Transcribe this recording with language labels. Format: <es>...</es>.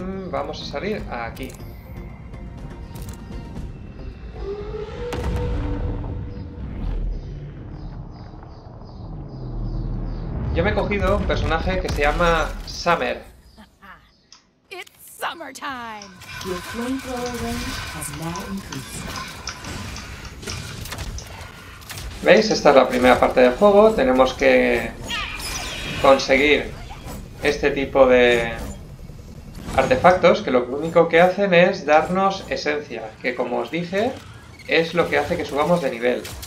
<es>Vamos a salir aquí. Yo me he cogido un personaje que se llama Summer.</es> <en>It's summertime. Your flamethrower range has now increased.</en> <es>¿Veis? Esta es la primera parte del juego. Tenemos que conseguir este tipo de artefactos que lo único que hacen es darnos esencia, que como os dije, es lo que hace que subamos de nivel.</es>